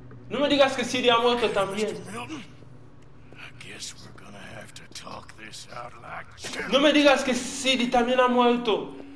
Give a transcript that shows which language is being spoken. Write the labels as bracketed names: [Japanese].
[Spanish] No me digas que Siri ha muerto también. [English] I guess we're gonna have to talk this out like children. [Spanish] No me digas que Siri también ha muerto.